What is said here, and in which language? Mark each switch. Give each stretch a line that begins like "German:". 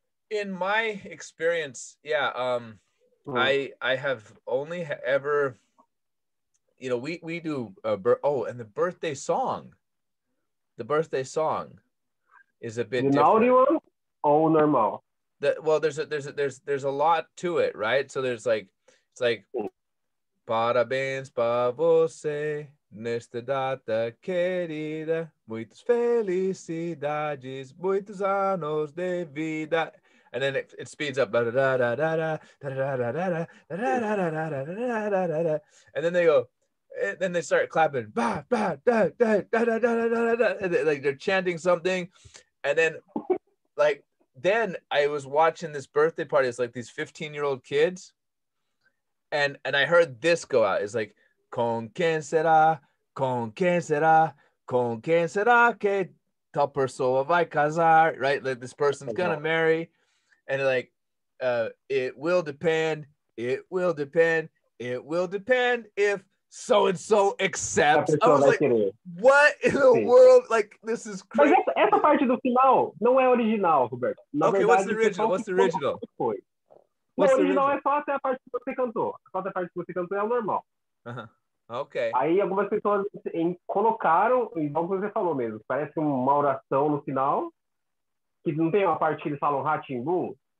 English: In my experience, yeah, I have only ever, you know, we do, and the birthday song. The birthday song is a bit different. Naughty one? Oh, normal. There's a lot to it, right? So there's like, it's like,
Portuguese: parabéns para você nesta data querida, muitas felicidades, muitos anos de vida,
English: and then it speeds up, da da da da da da da da da da da da da da da da da da da da da, and then they go, and then they start clapping, ba ba da da da da da da da da, like they're chanting something, and then like, then I was watching this birthday party. It's like these 15-year-old kids. And I heard this go out. It's like,
Spanish: con quien será, con quien será, con quien será que tal persona va a casar,
English: right? Like, this person's going to marry. And like, it will depend, it will depend, it will depend if so-and-so accepts. I was like, what in the world? Like, this is crazy.
Portuguese: But essa parte do final não é original, Roberto.
English: Na okay, verdade, what's the original? What's the original? What's the original?
Portuguese: Original é só até a parte que você cantou. Só até a parte que você cantou é o normal.
English: Okay.
Portuguese: Aí algumas pessoas colocaram, igual você falou mesmo, parece uma oração no final, que não tem uma parte que eles falam Ratimbu.